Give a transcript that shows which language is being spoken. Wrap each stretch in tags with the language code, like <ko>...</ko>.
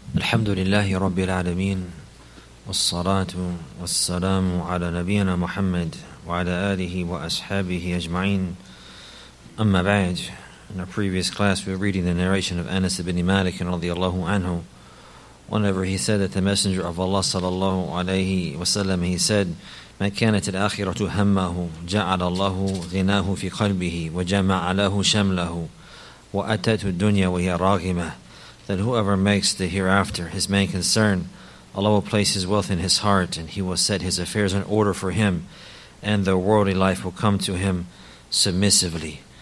<ar>الحمد لله رب العالمين والصلاة والسلام على نبينا محمد وعلى آله وأصحابه أجمعين أما بعد.</ar> <en>In our previous class we were reading the narration of Anas ibn Malik رضي الله عنه. Whenever he said that the Messenger of Allah صلى الله عليه وسلم he said</en> <ar>ما كانت الآخرة همه جعل الله غناه في قلبه وجمع له شمله وأتت الدنيا وهي راغمة.</ar> <en>That whoever makes the hereafter his main concern, Allah will place his wealth in his heart, and he will set his affairs in order for him, and the worldly life will come to him submissively.</en>